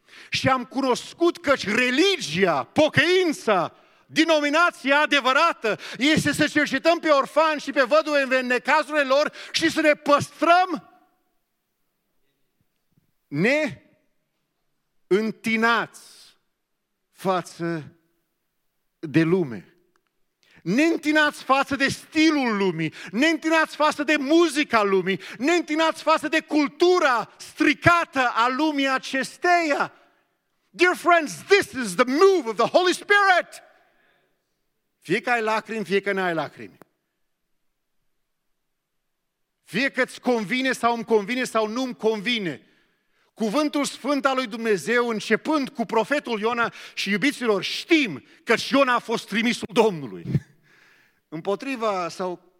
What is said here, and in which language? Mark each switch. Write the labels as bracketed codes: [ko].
[ro] Și am cunoscut că religia, pocăința, denominația adevărată este să cercetăm pe orfani și pe văduve în necazurile lor și să ne păstrăm neîntinați față de lume. Neîntinați față de stilul lumii, neîntinați față de muzica lumii, neîntinați față de cultura stricată a lumii acesteia. [en] Dear friends, this is the move of the Holy Spirit. [ro] Fie că ai lacrimi, fie că n-ai lacrimi. Fie că îți convine sau îmi convine sau nu îmi convine. Cuvântul Sfânt al lui Dumnezeu, începând cu profetul Iona și iubiților, știm că Iona a fost trimisul Domnului. Împotriva sau